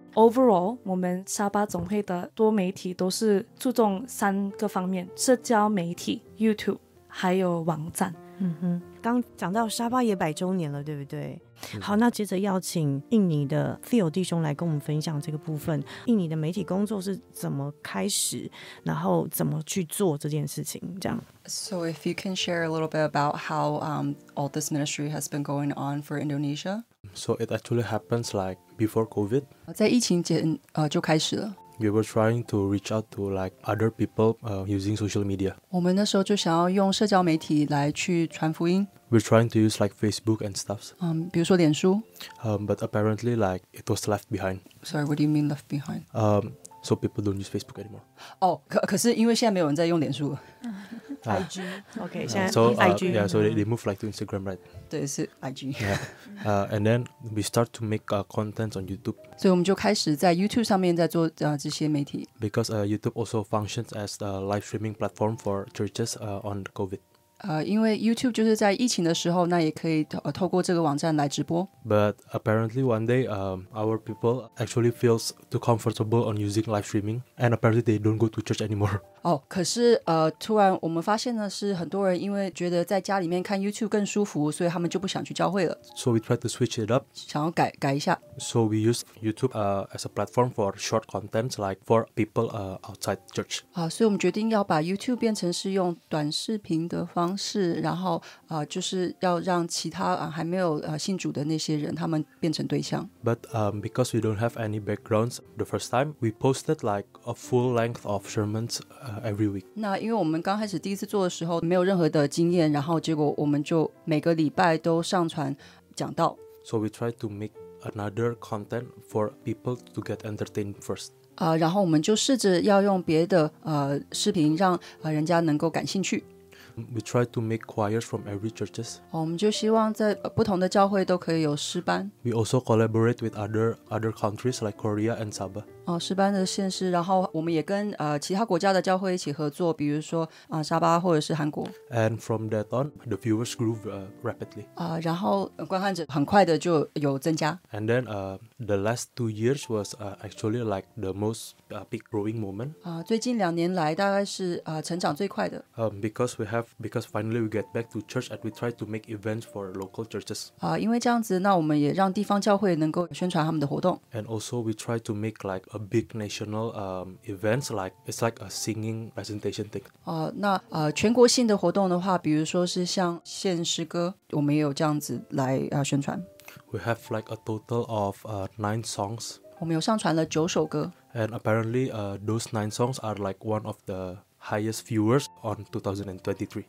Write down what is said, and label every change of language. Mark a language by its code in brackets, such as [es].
[zh] Overall, 我们沙巴总会的多媒体都是注重三个方面：社交媒体、YouTube, 还有网站。嗯哼，刚讲到沙巴也100周年了，对不对？好，那接着要请印尼的 Theo 弟兄来跟我们分享这个部分。印尼的媒体工作是怎么开始，然后怎么去做这件事情？这样。 [en] So if you can share a little bit about how all this ministry has been going on for Indonesia. So it actually happens like. Before COVID, [zh] 在疫情前就开始了。 [en] We were trying to reach out to like other people using social media. [zh] 我们那时候就想要用社交媒体来去传福音。 [en] We're trying to use like Facebook and stuff. [zh] 比如说脸书。 [en] But apparently, like it was left behind. Sorry, what do you mean left behind? So people don't use Facebook anymore. [zh] 哦、oh, ，可是因为现在没有人在用脸书了。 [en] IG, okay. So, IG. Yeah, so they move like to Instagram, right? [zh] 对，是 IG. [en] Yeah, and then we start to make contents on YouTube. [zh] 所以我们就开始在 YouTube 上面在做这些媒体。 [en] Because YouTube also functions as the live streaming platform for churches on COVID. [zh] 因为 YouTube 就是在疫情的时候，那也可以透过这个网站来直播。 [en] But apparently one day, our people actually feels too comfortable on using live streaming, and apparently they don't go to church anymore. [zh] 哦，可是突然我们发现呢，是很多人因为觉得在家里面看 YouTube 更舒服，所以他们就不想去教会了。 [en] So we tried to switch it up. [zh] 想要改一下。 [en] So we use YouTube as a platform for short content, like for people outside church. [zh] 所以我们决定要把 YouTube 变成是用短视频的方式，然后就是要让其他还没有信主的那些人他们变成对象。 [en] But because we don't have any backgrounds the first time, we posted like a full length of sermons every week. [zh] 那因为我们刚开始第一次做的时候没有任何的经验，然后结果我们就每个礼拜都上传讲道。 [en] So we tried to make another content for people to get entertained first. [zh] 然后我们就试着要用别的视频让人家能够感兴趣。 [en] We try to make choirs from every churches. [zh] 我们就希望在不同的教会都可以有诗班。 [en] We also collaborate with other countries like Korea and Sabah. [zh] 诗班的现实，然后我们也跟其他国家的教会一起合作，比如说沙巴或者是韩国。 [en] And from that on, the viewers grew rapidly. [zh] 然后观看者很快的就有增加。 [en] And then the last 2 years was actually like the most big growing moment. [zh] 最近两年来大概是成长最快的。 [en] Because we have have because finally we get back to church and we try to make events for local churches. [zh] 因为这样子，那我们也让地方教会能够宣传他们的活动。 [en] And also we try to make like a big national events, like it's like a singing presentation thing. [zh] 全国性的活动的话，比如说是像献诗歌，我们也有这样子来宣传。 [en] We have like a total of 9 songs. [zh] 我们有上传了九首歌。 [en] And apparently, those 9 songs are like one of the highest viewers on 2023.